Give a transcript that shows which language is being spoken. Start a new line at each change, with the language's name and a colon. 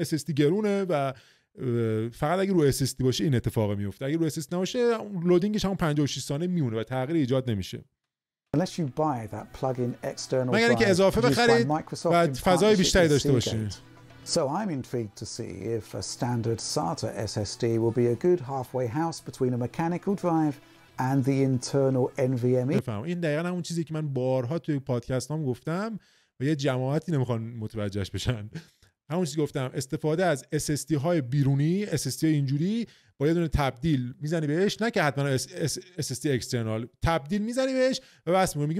Persian: SSD گرونه و فقط اگه روی SSD باشه این اتفاق میفته، اگه روی SSD نباشه لودینگش هم 56 ثانیه میمونه و تغییر ایجاد نمیشه.
English: Unless you buy that plug-in external
Persian: مگر اینکه اضافه بخرید و فضای بیشتری داشته باشین.
English: So I'm intrigued to see if a standard SATA SSD will be a good halfway house between a mechanical drive and the internal NVMe.
Persian: بفهم. این دقیقاً همون چیزی که من بارها توی پادکستام گفتم و یه جماعتی نمیخوان متوجهش بشن. همون چیزی گفتم، استفاده از SSD های بیرونی، SSD های اینجوری با یه دونه تبدیل میزنی بهش، نه که حتما SSD external تبدیل میزنی بهش و بس میگی.